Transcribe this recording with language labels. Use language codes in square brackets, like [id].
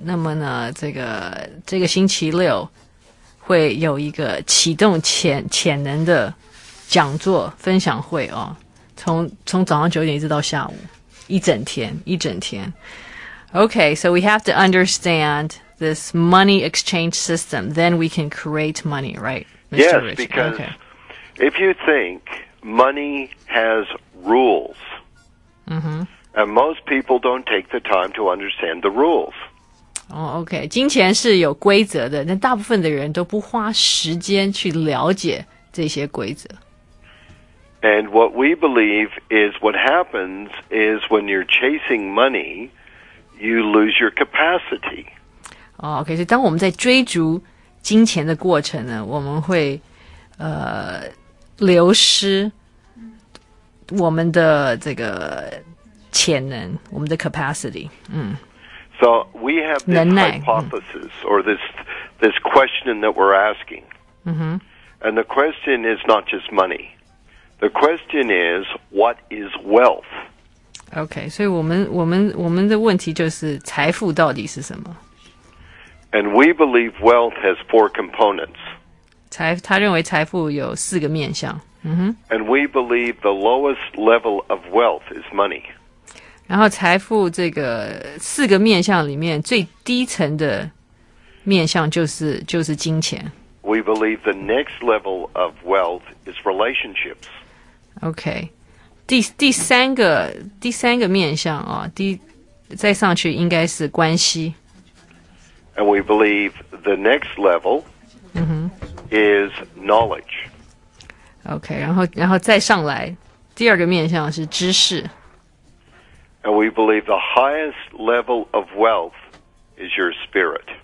[zh] 那么呢，这个星期六会有一个启动潜能的讲座分享会哦，从早上9点一直到下午，一整天。 [en] Okay, so we have to understand this money exchange system, then we can create money, right, Mr. Yes, Ritchie? Because... If you think money has rules,、 mm-hmm. and most people don't take the time to understand the rules. Oh, okay. [zh] 金钱是有规则的，但大部分的人都不花时间去了解这些规则。 [en] And what we believe is what happens is when you're chasing money, you lose your capacity. Oh, okay. [zh] 所以当我们在追逐金钱的过程呢，我们会流失我们的这个潜能，我们的 capacity、 [en] So we have this hypothesis、or this question that we're asking、And the question is not just money. The question is, what is wealth? [zh] Okay, 所以我们的问题就是财富到底是什么。 [en] And we believe wealth has 4 components [zh] 他认为财富有四个面向、 [en] And we believe the lowest level of wealth is money. [zh] 然后财富这个四个面向里面最低层的面向就是金钱。 [en] We believe the next level of wealth is relationships. Okay. [zh] 第三个面向啊、哦、再上去应该是关系。 [en] And we believe the next level、is knowledge. [zh] Okay, 然后再上来，第二个面向是知识。 [en] And we believe the highest level of wealth is your spirit.